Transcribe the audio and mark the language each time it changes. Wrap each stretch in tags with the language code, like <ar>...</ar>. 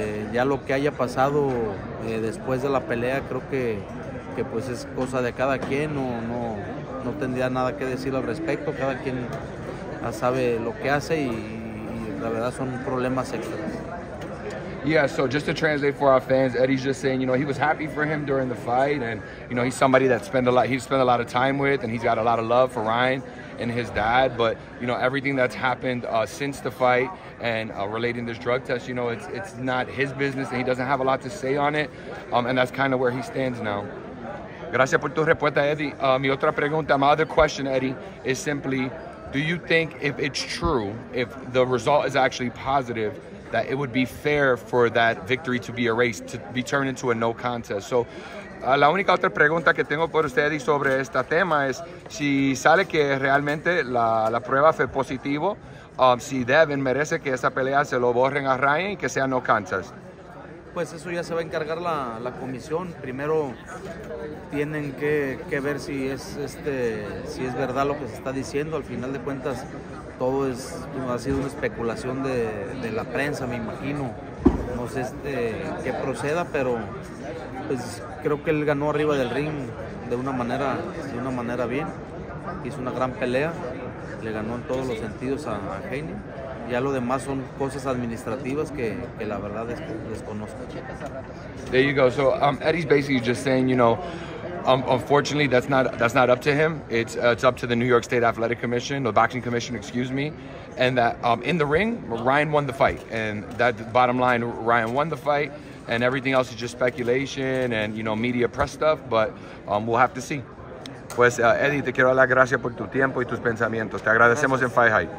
<es>Ya lo que haya pasado después de la pelea, creo que pues es cosa de cada quien. No tendría nada que decir al respecto. Cada quien ya sabe lo que hace, y la verdad son problemas extras.</es> <en>Yeah, so just to translate for our fans, Eddie's just saying, you know, he was happy for him during the fight, and you know, he's somebody that he spent a lot of time with, and he's got a lot of love for Ryan and his dad. But you know, everything that's happened since the fight and relating this drug test, you know, it's not his business, and he doesn't have a lot to say on it, and that's kind of where he stands now.</en> <es>Gracias por tu respuesta, Eddie. Mi otra pregunta,</es> <en>my other question, Eddie, is simply, do you think if it's true, if the result is actually positive, that it would be fair for that victory to be erased, to be turned into a no contest?</en> <es>So, la única otra pregunta que tengo por usted, Eddie, sobre este tema es, si sale que realmente la prueba fue positivo, si deben, merece que esa pelea se lo borren a Ryan y que sea no contest. Pues eso ya se va a encargar la comisión. Primero tienen que ver si es si es verdad lo que se está diciendo. Al final de cuentas, todo es, ha sido una especulación de la prensa, me imagino. No sé qué proceda, pero pues creo que él ganó arriba del ring de una manera bien. Hizo una gran pelea, le ganó en todos los sentidos a Haney. Ya lo demás son cosas administrativas que la verdad desconozco.</es> <en>There you go. So Eddie's basically just saying, you know, unfortunately, that's not up to him. It's up to the New York State Athletic Commission, the Boxing Commission, excuse me. And that in the ring, Ryan won the fight. And that bottom line, Ryan won the fight. And everything else is just speculation and, you know, media press stuff. But we'll have to see.</en> <es>Pues, Eddie, te quiero dar las gracias por tu tiempo y tus pensamientos. Te agradecemos. Gracias. En Fight Hype.</es>